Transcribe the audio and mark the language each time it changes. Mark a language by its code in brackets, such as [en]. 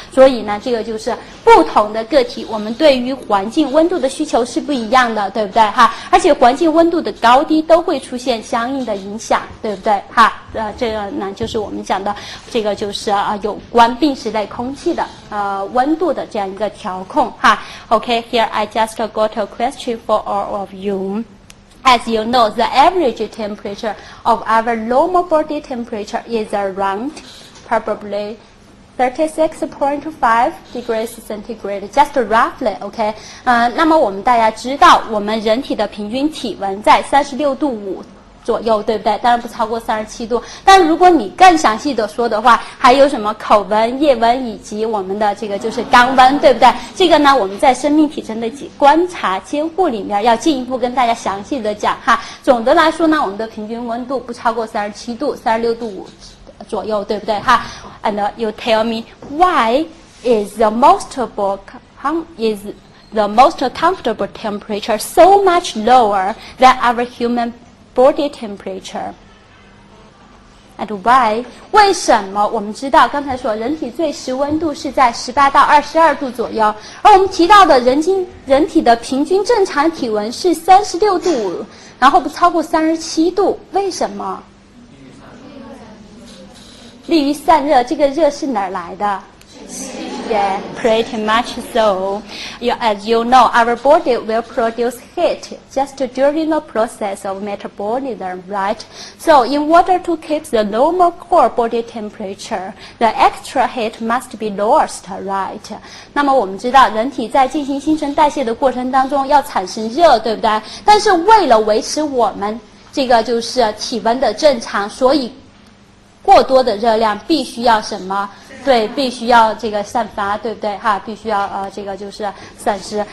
[zh] 所以呢这个就是不同的个体，我们对于环境温度的需求是不一样的，对不对哈？而且环境温度的高低都会出现相应的影响，对不对哈？这个呢就是我们讲的这个就是有关病室内空气的温度的这样一个调控哈。 [en] OK, here I just got a question for all of youAs you know, the average temperature of our normal body temperature is around probably 36.5 degrees centigrade, just roughly, okay? [zh] 那么我们大家知道我们人体的平均体温在36.5度左右，对不对？当然不超过37度。但如果你更详细的说的话，还有什么口温、腋温以及我们的这个就是肛温，对不对？这个呢我们在生命体征的观察监护里面要进一步跟大家详细的讲哈。总的来说呢，我们的平均温度不超过37度，36.5度左右，对不对哈？ [en] And you tell me why is the most comfortable temperature so much lower than our humanbody temperature and why? [zh] 为什么我们知道刚才说人体最实温度是在18-22度左右，而我们提到的人体的平均正常体温是36.5度，然后不超过37度，为什么？利于散热，这个热是哪儿来的？ [en] Yeah, pretty much so. As you know, our body will produce heat just during the process of metabolism, right? So in order to keep the normal core body temperature, the extra heat must be lost, right? [zh] 那么我们知道人体在进行新陈代谢的过程当中要产生热，对不对？但是为了维持我们这个就是体温的正常，所以过多的热量必须要什么？对，必须要这个散发，对不对哈？必须要这个就是散失。